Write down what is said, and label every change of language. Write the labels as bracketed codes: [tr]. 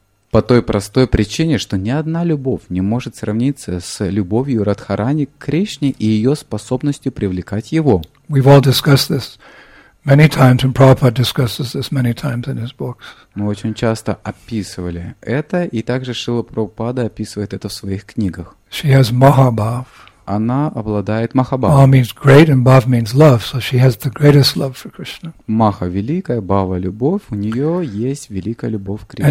[ru] По той простой причине, что ни одна любовь не может сравниться с любовью Радхарани к Кришне и ее способностью привлекать его. [en] We've all discussed this many times, and Prabhupada discusses this many times in his books. [ru] Мы очень часто описывали это, и также Шрила Прабхупада описывает это в своих книгах. [en] She has Mahabhav. [ru] Она обладает Махабхав. [en] Maha means great, and Bhav means love, so she has the greatest love for Krishna. [ru] Маха – великая, Бхава – любовь, у нее есть великая любовь к Кришне.